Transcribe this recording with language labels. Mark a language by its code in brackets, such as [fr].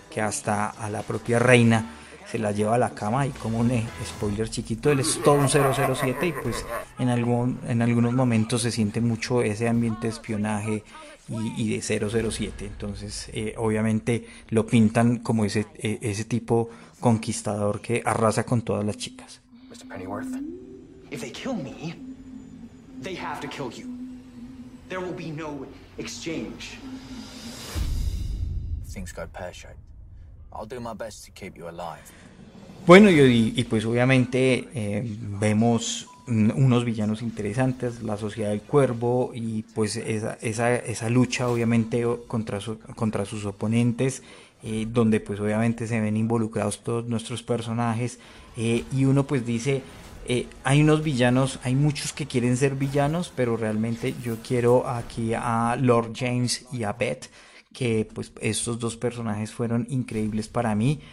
[es] Que hasta a la propia reina se la lleva a la cama, y como un spoiler chiquito, él es todo un 007 y pues en algunos momentos se siente mucho ese ambiente de espionaje y de 007. Entonces, obviamente lo pintan como ese tipo conquistador que arrasa con todas las chicas. [en] Mr. Pennyworth, if they kill me, they have to kill you. There will be no exchange. Things got pear-shaped. I'll do my best to keep you alive. [es] Bueno, y pues obviamente vemos unos villanos interesantes, la Sociedad del Cuervo, y pues esa lucha obviamente contra sus oponentes, donde pues obviamente se ven involucrados todos nuestros personajes, y uno pues dice, hay unos villanos, hay muchos que quieren ser villanos, pero realmente yo quiero aquí a Lord James y a Beth, que pues estos dos personajes fueron increíbles para mí.